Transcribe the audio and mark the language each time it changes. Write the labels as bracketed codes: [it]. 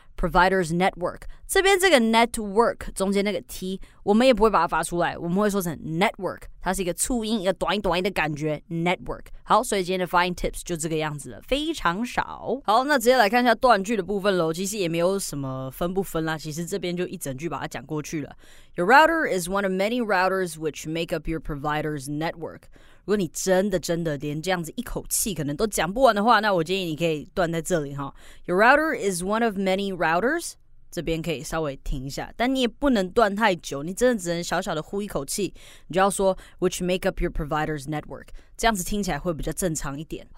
[en] Providers network， [zh] 这边这个 network 中间那个 t， 我们也不会把它发出来，我们会说成 network， 它是一个促音，一个短短的感觉 network。好，所以今天的 fine tips 就这个样子了，非常少。好，那直接来看一下断句的部分喽。其实也没有什么分不分啦，其实这边就一整句把它讲过去了。 [en] Your router is one of many routers which make up your provider's network。 [zh] 如果你真的连这样子一口气可能都讲不完的话，那我建议你可以断在这里哈。 [en] Your router is one of many routers， [zh] 这边可以稍微停一下，但你也不能断太久，你真的只能小小的呼一口气，你就要说 [en] which make up your provider's network， [zh] 这样子听起来会比较正常一点。